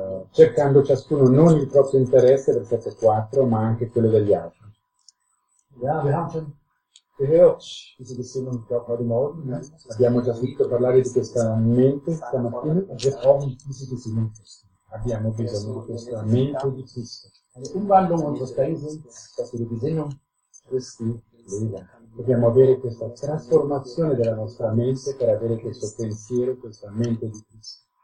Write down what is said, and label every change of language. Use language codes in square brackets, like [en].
[it] Cercando ciascuno non il proprio interesse, versetto 4, ma anche quello degli altri. [de] Ja, wir haben schon gehört, diese Gesinnung, ich glaube, heute Morgen. Ja. [it] Abbiamo già sentito parlare di questa mente stamattina. [de] Wir brauchen diese Gesinnung. [it] Abbiamo bisogno di questa mente di Cristo. [de] Eine Umwandlung unseres Denkens, dass wir die Gesinnung Christi leben. [it] Dobbiamo avere questa trasformazione della nostra mente per avere questo pensiero, questa mente di Cristo.